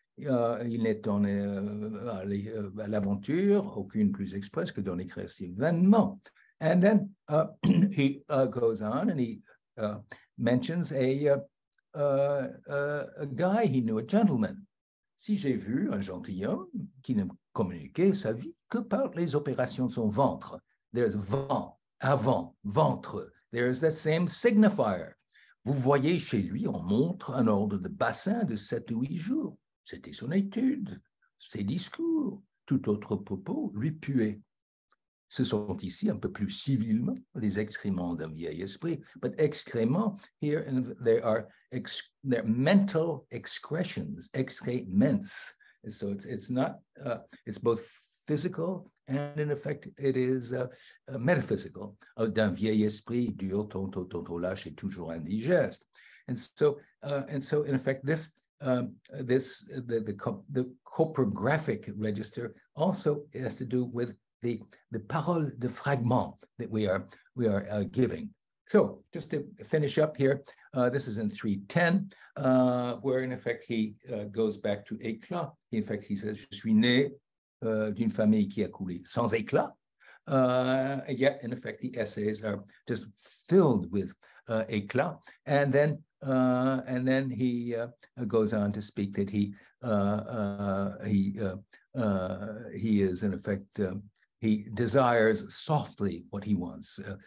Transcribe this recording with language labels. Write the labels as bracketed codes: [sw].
[fr] Il n'est en l'aventure aucune plus expresse que dans l'écrire si vainement. [en] And then he goes on and he mentions a guy he knew, a gentleman. [fr] Si j'ai vu un gentilhomme qui ne communiquait sa vie que par les opérations de son ventre. [en] There's vent, avant, ventre. There's that same signifier. [fr] Vous voyez chez lui, on montre un ordre de bassin de 7 ou 8 jours. C'était son étude, ses discours, tout autre propos lui puait. Ce sont ici un peu plus civilement les excréments d'un vieil esprit. [en] But excréments, here and there are they're mental excretions, excrements. So it's both physical and in effect it is metaphysical. [fr] D'un vieil esprit dur, tantôt, tantôt lâche et toujours indigeste. [en] And so in effect this. The coprographic register also has to do with the [fr] parole de fragment [en] that we are giving. So just to finish up here, this is in 3:10, where in effect he goes back to éclat. In effect, he says, [fr] "Je suis né d'une famille qui a coulé sans éclat." [en] Yet, in effect, the essays are just filled with éclat, and then. And then he goes on to speak that he desires softly what he wants.